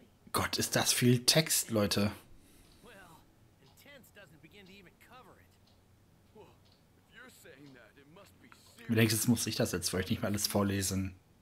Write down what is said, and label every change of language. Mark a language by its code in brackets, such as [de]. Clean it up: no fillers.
[de] Gott, ist das viel Text, Leute. [en] Well, intense doesn't begin to even cover it. If you're saying that, it must be serious. [de] Wenigstens muss ich das jetzt für euch nicht mal alles vorlesen.